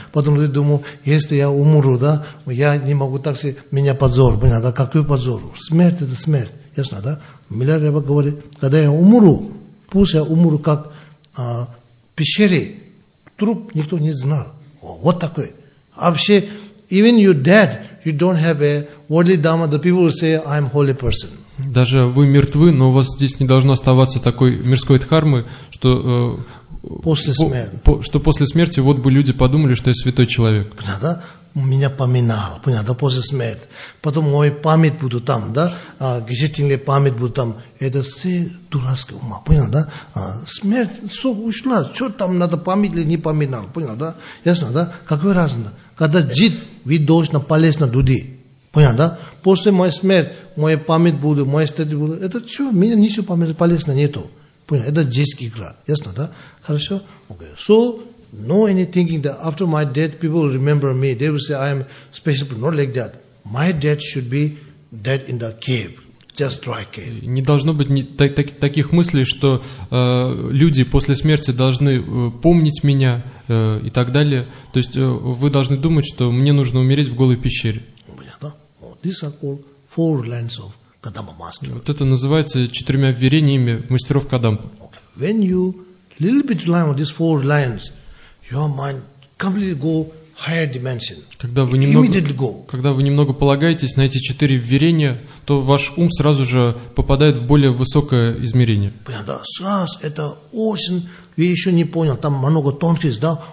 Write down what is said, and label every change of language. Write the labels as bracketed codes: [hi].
[ru] Потом люди думают, если я умру, да, я не могу так себе, меня позор, понял, да? Какой позор? Смерть – это смерть, ясно, да? Миларепа говорит, когда я умру, пусть я умру как пещере, труп никто не знал. О, вот такой. [en] Вообще, even you dead, you don't have a worldly dharma, the people say, I'm a holy person. [ru] Даже вы мертвы, но у вас здесь не должно оставаться такой мирской дхармы, что после смерти. Что после смерти вот бы люди подумали, что я святой человек. Понятно, да? Меня поминал, понятно, да, после смерти. Потом мой память будет там, да, гжительная память будет там. Это все дурацкие ума, понятно, да? Смерть, все ушла, что там надо память или не поминал, понятно, да? Ясно, да? Какое разное? Когда джит, вы должны полезть на людей. Понятно, да? После моей смерти, моя память будет, моя стадия будет. Это что? Меня ничего памяти полезно нету. Понятно? Это детская игра. Ясно, да? Хорошо? Okay. [en] So, no any thinking that after my death, people remember me. They will say, I am special. Not like that. My death should be dead in the cave. Just dry cave. [ru] Не должно быть таких мыслей, что люди после смерти должны помнить меня и так далее. То есть вы должны думать, что мне нужно умереть в голой пещере. [en] These are called four lines of Kadampa master. [ru] Вот это называется четырьмя верениями мастеров Кадампа. [en] Okay. When you little bit rely on these four lines, your mind completely go higher dimension. [ru] Когда вы немного полагаетесь на эти четыре верения, то ваш ум сразу же попадает в более высокое измерение. Понятно. Сразу это очень. Вы еще не понял, там много тонкостей, да?